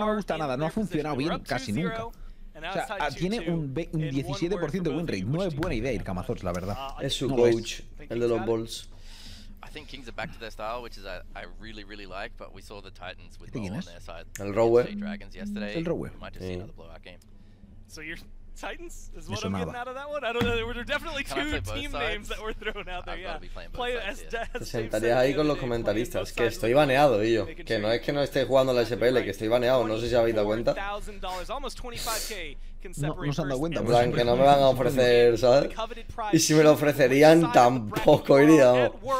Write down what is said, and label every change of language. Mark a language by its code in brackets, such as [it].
[es] no me gusta nada, no ha funcionado bien casi nunca. O sea, tiene un 17% de win rate. No es buena idea ir Kamazots, la verdad. Es su coach, el de los Bulls. [en] I think Kings are back to their style, which is I really, really like, but we saw the Titans with Bo on their side. [es] El Rowe. [en] Dragons yesterday. [es] El Rowe. [en] We might just see another blowout game. So you're Titans is what I'm getting out of that one? I don't know. There were definitely two team names that were thrown out there. I've got to be playing both sides [es] here. Te sentarías ahí con los comentaristas. Que estoy baneado, y yo. Que no es que no esté jugando la SPL, que estoy baneado. No sé si habéis dado cuenta. No se han dado cuenta. En plan, que no me van a ofrecer, ¿sabes? Y si me lo ofrecerían, tampoco iría.